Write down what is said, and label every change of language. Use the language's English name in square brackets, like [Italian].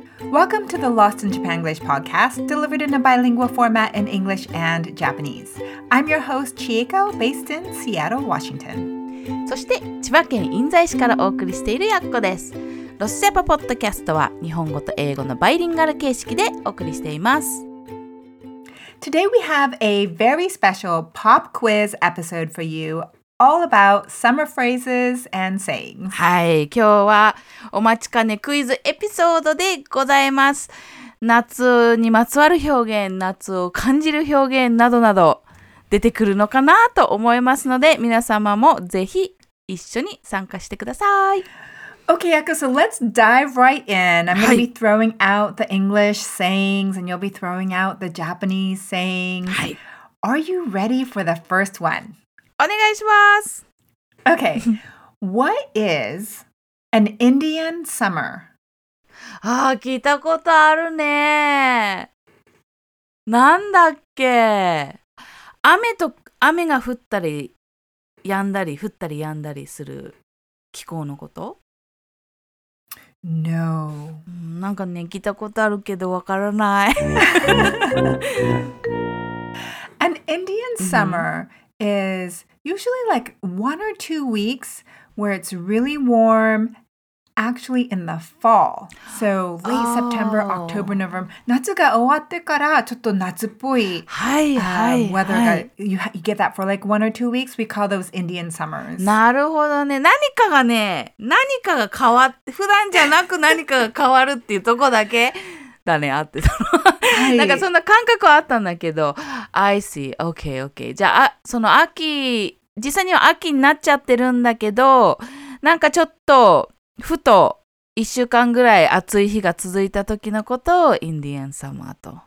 [English] Welcome to the Lost in Japan English podcast, delivered in a bilingual format in English and Japanese. I'm your host, Chieko, based in Seattle, Washington. [Japanese] そして千葉県印西市からお送りしているやっこです。ロスジャパポッドキャストは日本語と英語のバイリンガル形式でお送りしています。 [English] Today we have a very special pop quiz episode for you, all about summer phrases and sayings. [Japanese] はい、今日はお待ちかねクイズエピソードでございます。夏にまつわる表現、夏を感じる表現などなど出てくるのかなと思いますので、皆様もぜひ一緒に参加してください。 [English] Okay, Yako, so let's dive right in. I'm going to be throwing out the English sayings and you'll be throwing out the Japanese sayings. Are you ready for the first one? [Japanese] お願いします。 [English] Okay, what is an Indian summer? [Japanese] ああ、聞いたことあるね。なんだっけ？雨が降ったり、止んだり、降ったり止んだりする気候のこと？ [English] No. [Japanese] なんかね、聞いたことあるけどわからない。 [English] An Indian summer is usually like one or two weeks where it's really warm, actually in the fall. So late September, October, November. [Japanese] 夏が終わってからちょっと夏っぽい、はいはい、 [English] weather が、you get that for like one or two weeks. We call those Indian summers. [Japanese] なるほどね。何かがね、何かが変わって、普段じゃなく何かが変わるっていうとこだけだね、あってたの。はい、なんかそんな感覚はあったんだけど。 [English] I see. Okay, okay. [Japanese] じゃあ、その秋、実際には秋になっちゃってるんだけど、なんかちょっと、ふと一週間ぐらい暑い日が続いた時のことをインディアンサマーと。